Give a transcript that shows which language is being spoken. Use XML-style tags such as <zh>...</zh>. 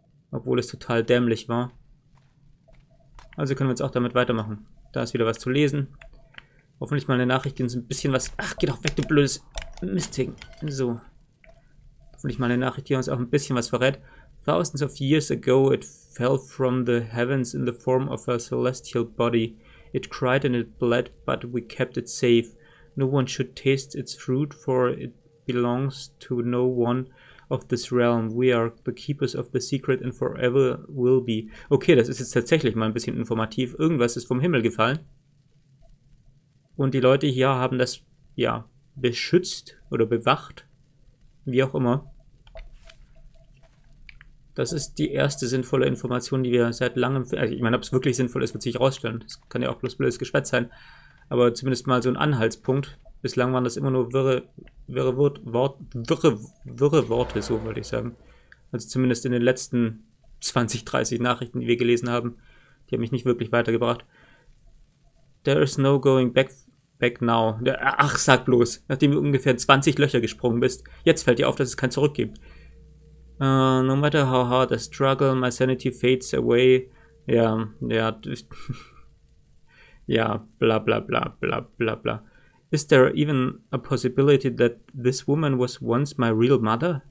<de>Obwohl es total dämlich war. Also können wir jetzt auch damit weitermachen. Da ist wieder was zu lesen. Hoffentlich mal eine Nachricht, die uns ein bisschen was. Ach, geh doch weg, du blödes Mistding. So. Hoffentlich mal eine Nachricht, die uns auch ein bisschen was verrät.</de> <en>Thousands of years ago, it fell from the heavens in the form of a celestial body. It cried and it bled, but we kept it safe. No one should taste its fruit, for it belongs to no one of this realm. We are the keepers of the secret and forever will be.</en> <de>Okay, das ist jetzt tatsächlich mal ein bisschen informativ. Irgendwas ist vom Himmel gefallen. Und die Leute hier haben das, ja, beschützt oder bewacht. Wie auch immer. Das ist die erste sinnvolle Information, die wir seit langem... Also ich meine, ob es wirklich sinnvoll ist, wird sich herausstellen. Das kann ja auch bloß blödes Geschwätz sein. Aber zumindest mal so ein Anhaltspunkt. Bislang waren das immer nur wirre Worte, so wollte ich sagen. Also zumindest in den letzten 20, 30 Nachrichten, die wir gelesen haben. Die haben mich nicht wirklich weitergebracht.</de> <en>There is no going back now.</en> <de>Ach, sag bloß. Nachdem du ungefähr 20 Löcher gesprungen bist. Jetzt fällt dir auf, dass es kein Zurück gibt.</de> <en>No matter how hard I struggle, my sanity fades away.</en> <de>Ja, ja. Ja, bla bla bla bla bla bla.</de> <en>Is there even a possibility that this woman was once my real mother?</en>